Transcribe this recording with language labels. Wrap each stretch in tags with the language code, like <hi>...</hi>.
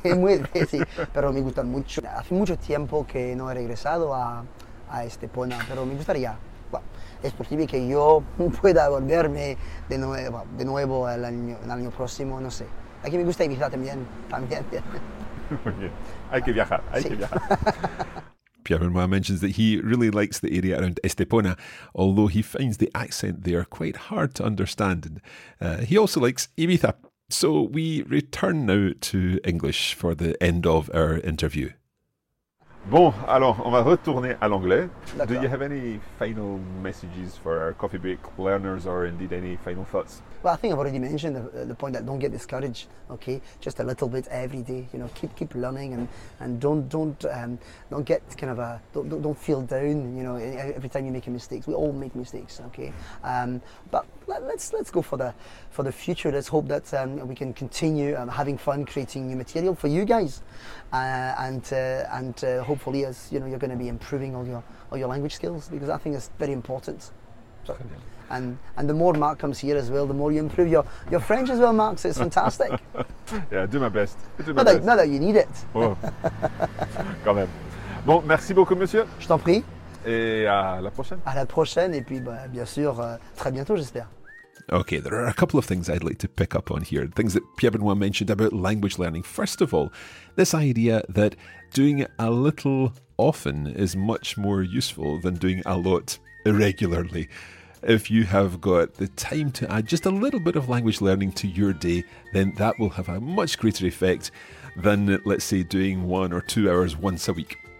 <es>Es muy difícil, sí, pero me gusta mucho. Hace mucho tiempo que no he regresado a Estepona, pero me gustaría. Es posible que yo pueda volverme de nuevo el año próximo, no sé. Aquí me gusta Ibiza también. Muy bien. Hay que viajar.</es> <en>Pierre Benoit mentions that he really likes the area around Estepona, although he finds the accent there quite hard to understand. He also likes Ibiza. So we return now to English for the end of our interview.</en> <fr>Bon, alors, on va retourner à l'anglais. D'accord.</fr> <en>Do you have any final messages for our Coffee Break learners, or indeed any final thoughts? Well, I think I've already mentioned the point that don't get discouraged, okay? Just a little bit every day, you know, keep learning and don't get kind of a, don't feel down, you know, every time you make a mistake. We all make mistakes, okay? But let's go for the future. Let's hope that we can continue having fun creating new material for you guys. And hopefully, as you know, you're going to be improving all your language skills, because I think it's very important. So, and the more Mark comes here as well, the more you improve your French as well, Mark. So it's fantastic. Yeah, do my best. Not that you need it.</en> <fr>Oh. Quand même. Bon, merci beaucoup, monsieur. Je t'en prie. Et à la prochaine. À la prochaine, et puis bien sûr, très bientôt, j'espère.</fr> <en>Okay, there are a couple of things I'd like to pick up on here. Things that Pierre Benoit mentioned about language learning. First of all, this idea that doing a little often is much more useful than doing a lot irregularly. If you have got the time to add just a little bit of language learning to your day, then that will have a much greater effect than, let's say, doing 1 or 2 hours once a week.</en>